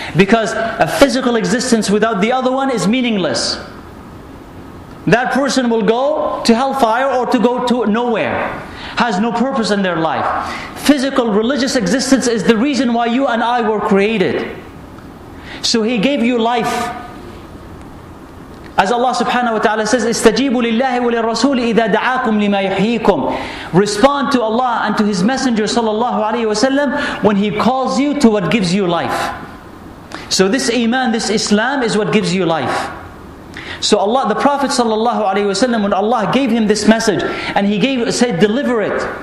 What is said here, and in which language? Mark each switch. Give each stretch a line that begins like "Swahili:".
English: Because a physical existence without the other one is meaningless. That person will go to hellfire or to go to nowhere. Has no purpose in their life. Physical religious existence is the reason why you and I were created. So he gave you life. As Allah subhanahu wa ta'ala says,
Arabic: استجيبوا لله وللرسول إذا دعاكم لما يحييكم.
English: Respond to Allah and to His Messenger sallallahu alayhi wasallam when He calls you to what gives you life. So this iman, this Islam is what gives you life. So Allah, the Prophet sallallahu alayhi wasallam, when Allah gave him this message and he gave, said, deliver it.